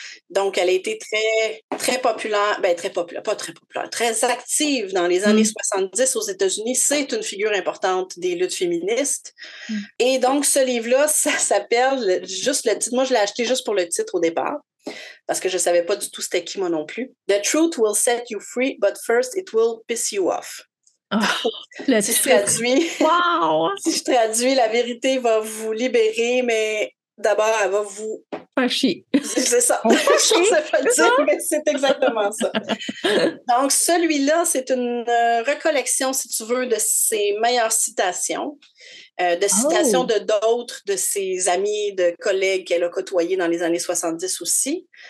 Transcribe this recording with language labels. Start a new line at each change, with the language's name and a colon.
French: Donc, elle a été très, très populaire, très active dans les années 70 aux États-Unis. C'est une figure importante des luttes féministes. Mm. Et donc, ce livre-là, ça s'appelle, juste le titre, moi, je l'ai acheté juste pour le titre au départ, parce que je ne savais pas du tout c'était qui, moi non plus.
English: « The truth will set you free, but first it will piss you off. » Oh,
French: si je traduis, wow. Si je traduis, la vérité va vous libérer, mais d'abord elle va vous fâcher. C'est ça. Je ne sais pas le dire, mais c'est exactement ça. Donc celui-là, c'est une recollection, si tu veux, de ses meilleures citations, citations de d'autres de ses amis, de collègues qu'elle a côtoyés dans les années 70 aussi.